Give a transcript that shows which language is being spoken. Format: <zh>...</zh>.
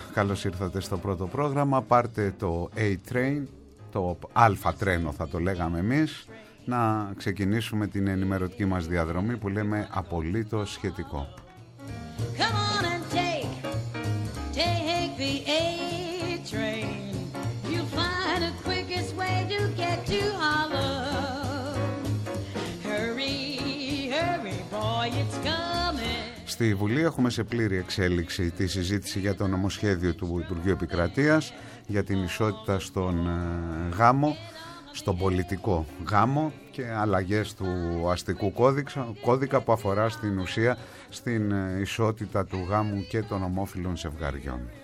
<el>Καλώς ήρθατε στο πρώτο πρόγραμμα. Πάρτε το A-Train, το Α τρένο θα το λέγαμε εμείς, να ξεκινήσουμε την ενημερωτική μας διαδρομή που λέμε απολύτως σχετικό.</el> <en>Come on and take the A-Train. You'll find the quickest way to get to Harlem. Hurry, hurry boy, it's coming.</en> <el>Στη Βουλή έχουμε σε πλήρη εξέλιξη τη συζήτηση για το νομοσχέδιο του Υπουργείου Επικρατείας για την ισότητα στον γάμο, στον πολιτικό γάμο και αλλαγές του αστικού κώδικα που αφορά στην ουσία στην ισότητα του γάμου και των ομόφυλων ζευγαριών.</el>